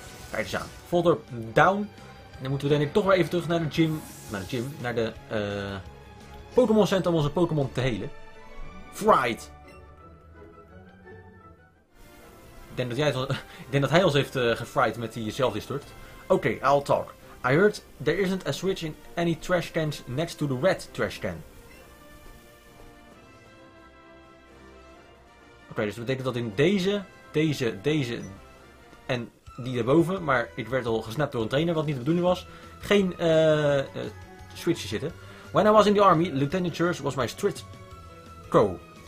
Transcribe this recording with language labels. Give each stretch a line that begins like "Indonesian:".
Dutch: Kijk eens aan. Voltorb down. Dan moeten we denk ik toch weer even terug naar de gym. Naar de Pokémon Center om onze Pokémon te helen. Fright. Ik denk dat hij ons heeft gefried met die zelfdistort.
English: Oké, okay, I'll talk. I heard there isn't a switch in any trash cans next to the red trash can.
Dutch: Oké, okay, dus dat betekent dat in deze en die daarboven, maar ik werd al gesnapt door een trainer wat niet de bedoeling was, geen switchje zitten.
English: When I was in the army, Lieutenant Church was my strict co.